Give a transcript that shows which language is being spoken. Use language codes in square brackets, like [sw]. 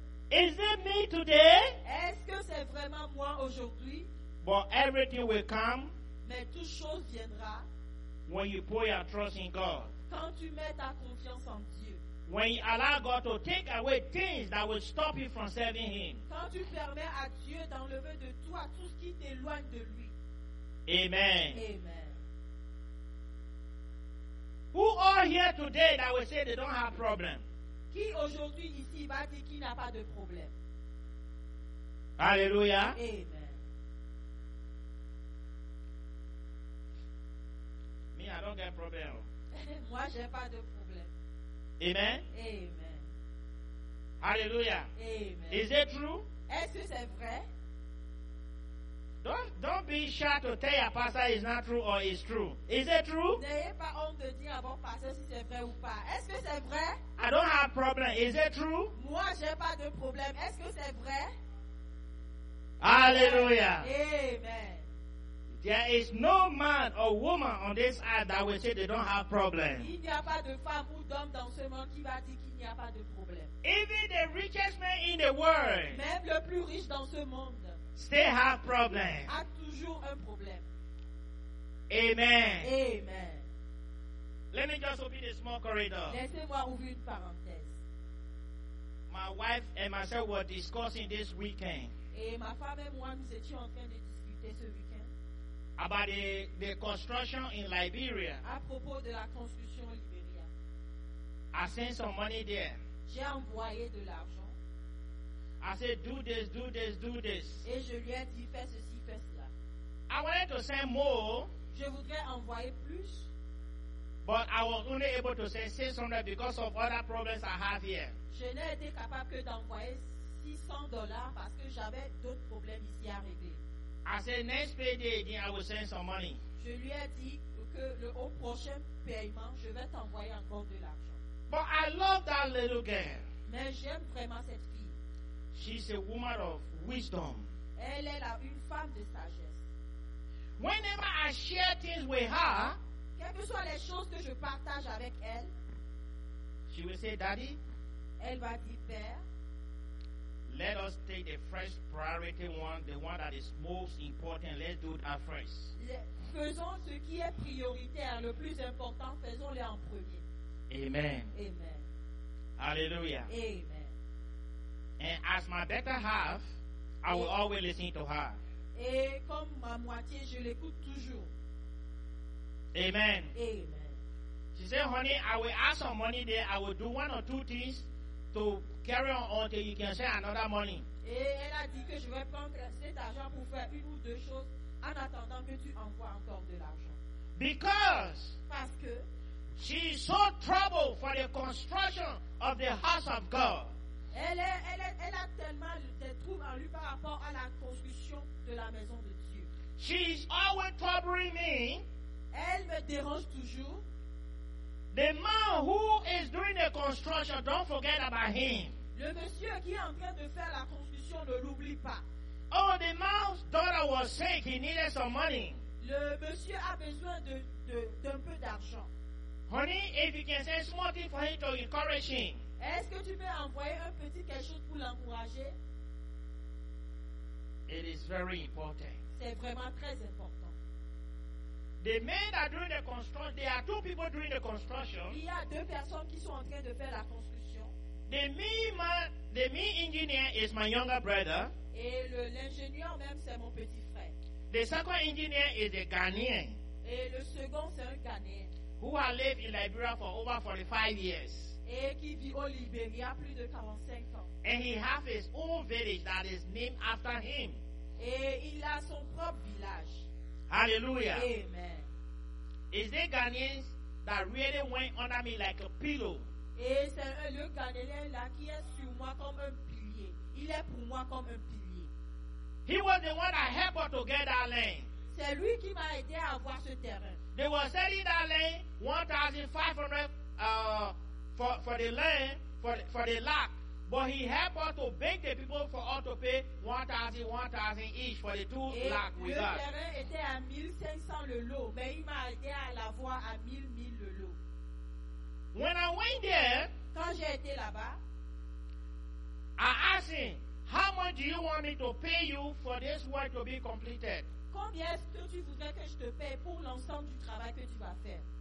[en] is it me today? [fr] Est-ce que c'est vraiment moi aujourd'hui? [en] But everything will come. [fr] Mais toute chose viendra. [en] When you put your trust in God. [fr] Quand tu mets ta confiance en Dieu. [en] When you allow God to take away things that will stop you from serving Him. [fr] Quand tu permets à Dieu d'enlever de toi tout ce qui t'éloigne de lui. [en] Amen. [fr] Amen. [en] Who are here today that will say they don't have problem? [fr] Qui aujourd'hui ici va dire qu'il n'a pas de problème? Alléluia. Amen. [en] Me, I don't get problem. [fr] Moi, j'ai pas de problème. [en] Amen. [fr] Amen. Alléluia. Amen. [en] Is it true? [fr] Est-ce que c'est vrai? [en] Don't be shy to tell your pastor it's not true or it's true. Is it true? [fr] N'ayez pas honte de dire à votre pasteur si c'est vrai ou pas. Est-ce que c'est vrai? [en] I don't have problem. Is it true? [fr] Moi, j'ai pas de problème. Est-ce que c'est vrai? Alléluia. Amen. [en] There is no man or woman on this earth that will say they don't have problem. [fr] Il n'y a pas de femme ou d'homme dans ce monde qui va dire qu'il n'y a pas de problème. [en] Even the richest man in the world. [fr] Même le plus riche dans ce monde. [en] Still have problem. [fr] A toujours un problème. [en] Amen. [fr] Amen. [en] Let me just open a small corridor. [fr] Laissez-moi ouvrir une parenthèse. [en] My wife and myself were discussing this weekend. [fr] Et ma femme et moi nous étions en train de discuter ce weekend. [en] About the construction in Liberia. [fr] À propos de la construction au Liberia. [en] I sent some money there. [fr] J'ai envoyé de l'argent. [en] I said, do this, do this, do this. [fr] Et je lui ai dit, fais ceci, fais cela. [en] I wanted to send more. [fr] Je voudrais envoyer plus. [en] But I was only able to send 600 because of other problems I have here. [fr] Je n'ai été capable que d'envoyer $600 parce que j'avais d'autres problèmes ici à régler. [en] I said, next payday, then I will send some money. [fr] Je lui ai dit que au prochain paiement, je vais t'envoyer encore de l'argent. [en] But I love that little girl. [fr] Mais j'aime vraiment cette fille. [en] She's a woman of wisdom. [fr] Elle est une femme de sagesse. [en] Whenever I share things with her, [fr] quelles que soient les choses que je partage avec elle, [en] she will say, Daddy, [fr] elle va dire, Père, [en] let us take the first priority one, the one that is most important. Let's do that first. [fr] Faisons ce qui est prioritaire, le plus important, faisons-le en premier. Amen. Amen. Alléluia. Amen. [en] And as my better half, I will always listen to her. [fr] Et comme ma moitié, je l'écoute toujours. Amen. Amen. [en] She said, honey, I will ask some money there. I will do one or two things to carry on until you can send another money. [fr] Et elle a dit que je vais prendre cet argent pour faire une ou deux choses en attendant que tu envoies encore de l'argent. [en] Because. [fr] Parce que. [en] She is so troubled for the construction of the house of God. [fr] Elle a tellement de troubles en lui par rapport à la construction de la maison de Dieu. [en] She is always troubling me. [fr] Elle me dérange toujours. [en] The man who is doing the construction, don't forget about him. [fr] Le monsieur qui est en train de faire la construction, ne l'oublie pas. [en] Oh, the man's daughter was sick. He needed some money. [fr] Le monsieur a besoin d'un peu d'argent. [en] Honey, if you can say small thing for him to encourage him. [fr] Est-ce que tu peux envoyer un petit quelque chose pour l'encourager? [en] It is very important. [fr] C'est vraiment très important. [en] The men are doing the construction. There are two people doing the construction. [fr] Il y a deux personnes qui sont en train de faire la construction. [en] The main engineer is my younger brother. [fr] Et l'ingénieur même c'est mon petit frère. [en] The second engineer is a Ghanaian. [fr] Et le second c'est un Ghanaian. [en] Who has lived in Liberia for over 45 years. [fr] Et qui vit au Liberia plus de 45 ans. [en] And he has his own village that is named after him. [fr] Et il a son propre village. [en] Hallelujah. [fr] Amen. [en] Is there Ghanaians that really went under me like a pillow? [fr] Et c'est le Ghanéen là qui est sur moi comme un pilier. Il est pour moi comme un pilier. [en] He was the one that helped us to get that land. [fr] C'est lui qui m'a aidé à avoir ce terrain. [en] They were selling that land 1,500 for the land for the lot. But he helped us to beg the people for us to pay 1,000 each for the 2 lakh we got. [fr] Le terrain était à 1,500 le lot, mais il m'a aidé à l'avoir à 1,000 le lot. [en] When I went there, [fr] quand j'ai été là-bas, [en] I asked him, "How much do you want me to pay you for this work to be completed?" [fr] Combien est-ce que tu voudrais que je te paye pour l'ensemble du travail que tu vas faire?